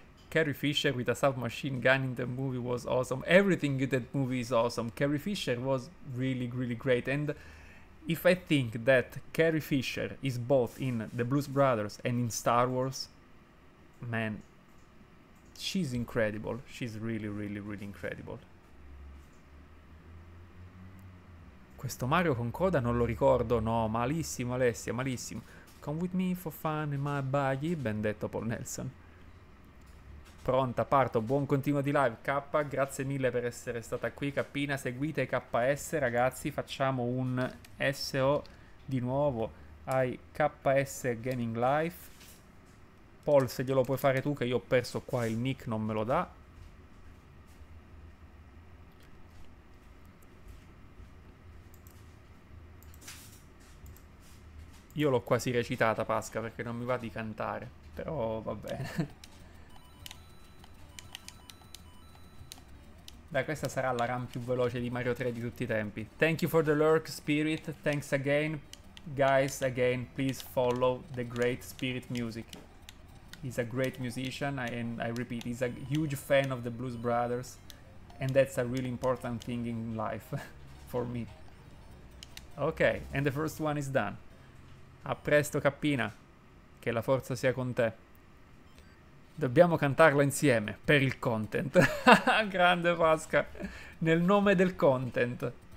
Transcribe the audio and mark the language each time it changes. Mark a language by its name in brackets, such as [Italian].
[English] Carrie Fisher with a submachine gun in the movie was awesome. Everything in that movie is awesome. Carrie Fisher was really, really great. And if I think that Carrie Fisher is both in The Blues Brothers and in Star Wars, man, she's incredible. She's really, really, really incredible. [Italian] Questo Mario con coda non lo ricordo, no, malissimo Alessia, malissimo. [English] Come with me for fun in my buggy, [Italian] ben detto [English] Paul Nelson. [Italian] Pronta, parto, buon continuo di live. Kappa, grazie mille per essere stata qui. Cappina, seguite KS, ragazzi, facciamo un SO di nuovo ai KS Gaming Life. Paul, se glielo puoi fare tu, che io ho perso qua il nick, non me lo dà. Io l'ho quasi recitata, Pasca, perché non mi va di cantare, però va bene. Dai, questa sarà la run più veloce di Mario 3 di tutti i tempi. [English] Thank you for the lurk, Spirit. Thanks again. Guys, again, please follow the great Spirit music. He's a great musician, and I repeat, he's a huge fan of the Blues Brothers, and that's a really important thing in life for me. Okay, and the first one is done. [Italian] A presto, cappina, che la forza sia con te. Dobbiamo cantarla insieme per il content. Grande Pasqua, nel nome del content.